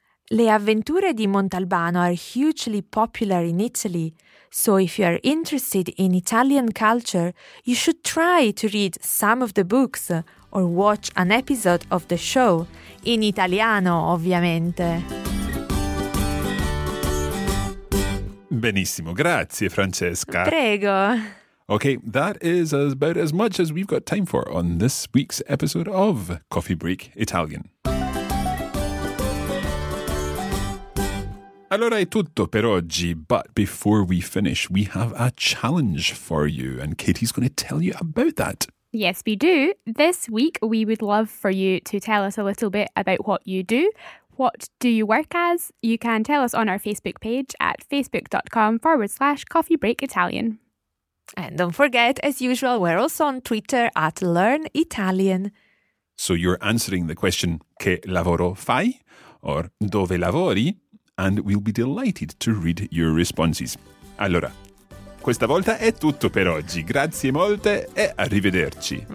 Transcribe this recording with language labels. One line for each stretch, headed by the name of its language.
English: Le avventure di Montalbano are hugely popular in Italy, so if you are interested in Italian culture, you should try to read some of the books or watch an episode of the show,
Italian: in italiano, ovviamente. Benissimo, grazie Francesca. Prego.
English: Okay, that is about as much as we've got time for on this week's episode of Coffee Break Italian.
Italian: Allora è tutto per oggi,
English: but before we finish, we have a challenge for you, and Katie's going to tell you about that. Yes, we do. This week, we would love for you to tell us a little bit about what you do. What do you work as? You can tell us on our Facebook page at facebook.com/coffeebreakitalian. And don't forget, as usual, we're also on Twitter at Learn Italian. So you're answering the question,
Italian: che lavoro fai?
English: Or
Italian: dove lavori?
English: And we'll be delighted to read your responses.
Italian: Allora, questa volta è tutto per oggi. Grazie molte e arrivederci.